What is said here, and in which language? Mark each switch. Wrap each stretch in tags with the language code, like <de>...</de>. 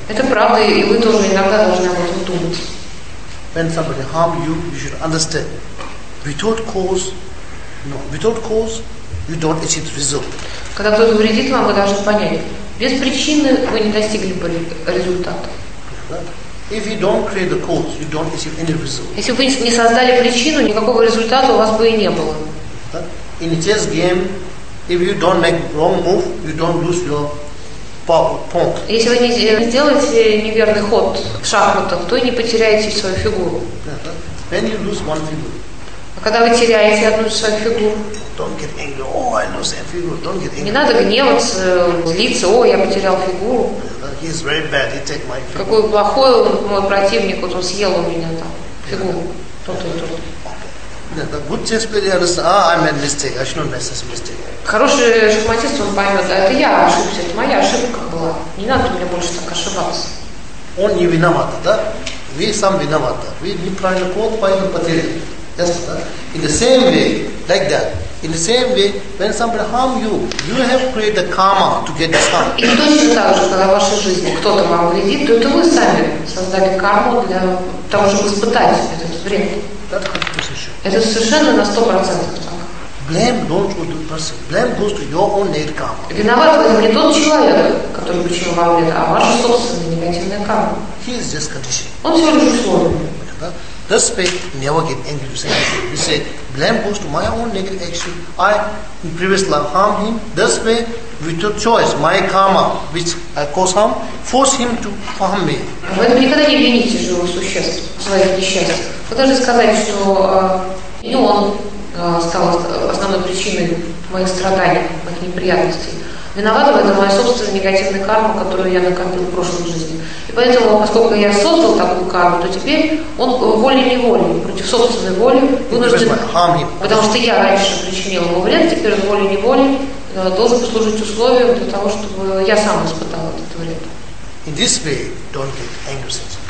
<ru>Это правда, и вы тоже иногда должны об этом думать.</ru> <en>When somebody harm you, you should understand. Without cause, no. Without cause, you don't achieve result.</en> <ru>Когда кто-то вредит вам, вы должны понять, без причины вы не достигли бы результата.</ru> <en>If you don't create the cause, you don't achieve any result.</en> <ru>Если вы не создали причину, никакого результата у вас бы и не было.</ru> <en>In a chess game, if you don't make wrong move, you don't lose your power, pawn.</en> <ru>Если вы не сделаете неверный ход в шахматах, то и не потеряете свою фигуру.</ru> <en>When you lose one figure.</en> <ru>А когда вы теряете одну из своих фигур?</ru> <en>Don't get angry. Oh, I lost that figure. Don't get angry.</en> <ru>Не надо гневаться, злиться. О, я потерял фигуру.</ru> <en>He's very bad. He took my figure.</en> <ru>Какой плохой он, мой противник, вот он съел у меня там фигуру. Тот.</ru> <en>The good chess player understands. Ah, I made mistake. I shouldn't make this mistake.</en> <ru>Хороший шахматист он поймет, это я ошибся, это моя ошибка была. Не надо мне больше так ошибаться. Он не виноват, да? Вы сам виноваты. Вы неправильно ход, поэтому потеряли.</ru> <en>Yes, in the same way, like that. In the same way, when somebody harm you, you have created the karma to get this harm.</en> <ru>И точно так же, когда в вашей жизни кто-то вам вредит, то это вы сами создали карму для того, чтобы испытать этот вред. Это совершенно на 100% так.</ru> <en>Blame don't go to the person. Blame goes to your own negative karma.</en> <ru>Виноват в этом не тот человек, который причинил вам вред, а ваша собственная негативная карма.</ru> <en>He is just conditioned.</en> <ru>Он всего лишь условный.</ru> <en>This way, never get angry. You say, blame goes to my own negative action. I, in previous life, harmed him. This way, with your choice, my karma, which I cause harm, force him to harm me.</en> <ru>Вы никогда не вините живого существа в своих несчастьях. Вы должны сказать, что не он стал основной причиной моих страданий, моих неприятностей. Виновата в этом моя собственная негативная карма, которую я накопил в прошлой жизни. Поэтому, поскольку я создал такую карму, то теперь он волей-неволей, против собственной воли, вынужден, потому что я раньше причинил ему вред, теперь он волей-неволей должен послужить условием для того, чтобы я сам испытал этот вред.</ru> <en>In this way, don't get angry sense of</en>